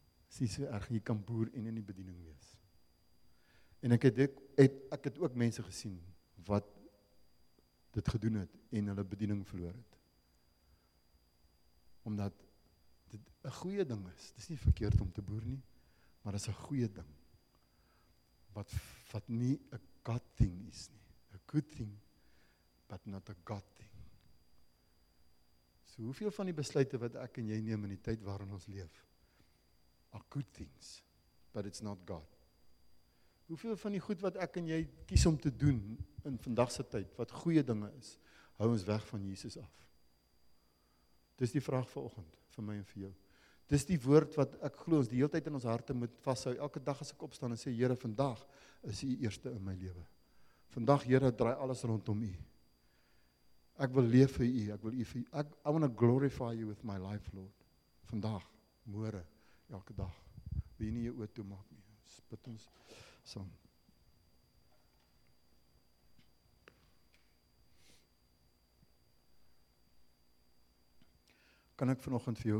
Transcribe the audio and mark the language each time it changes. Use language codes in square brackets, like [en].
[af] Dis nie so erg, jy kan boer en in die bediening wees. En ek het ook mense gesien wat dit gedoen het en hulle bediening verloor het. Omdat dit 'n goeie ding is. Dis nie verkeerd om te boer nie, maar dis 'n goeie ding. Wat nie 'n [en] God thing [af] is nie. [en] A good thing, but not a God thing. [af] So hoeveel van die besluite wat ek en jy neem in die tyd waarin ons leef, [en] are good things, but it's not God. [af] Hoeveel van die goed wat ek en jy kies om te doen in vandagse tyd, wat goeie dinge is, hou ons weg van Jesus af? Dis die vraag vanoggend, vir my en vir jou. Dis die woord wat ek glo ons die hele tyd in ons harte moet vashou. Elke dag as ek opstaan en sê, Here, vandag is U eerste in my lewe. Vandag, Here, draai alles rondom U. Ek wil leef vir U, ek wil U vir U. [en] I want to glorify you with my life, Lord. [af] Vandag, môre, elke dag. Wil U nie jou oortoe maak nie. Ons bid ons saam. Kan ek vanoggend vir jou